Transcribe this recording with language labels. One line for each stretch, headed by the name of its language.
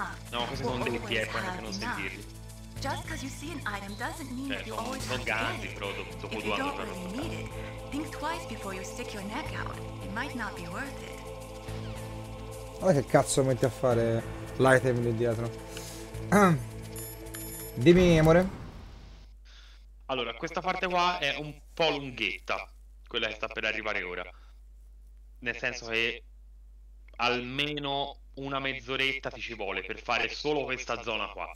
Italian: No, questi sono dei tiepani che non sentirli.
English: Just because you see an item doesn't mean that you always have to get it. If you don't really need it, think twice before you stick your neck out. It might not be worth it.
Italian: Guarda che cazzo metti a fare l'item lì dietro. Dimmi, amore. Allora, questa parte qua è un po' lunghetta, quella che sta per arrivare ora. Nel senso che almeno una mezz'oretta ti ci vuole per fare solo questa zona qua.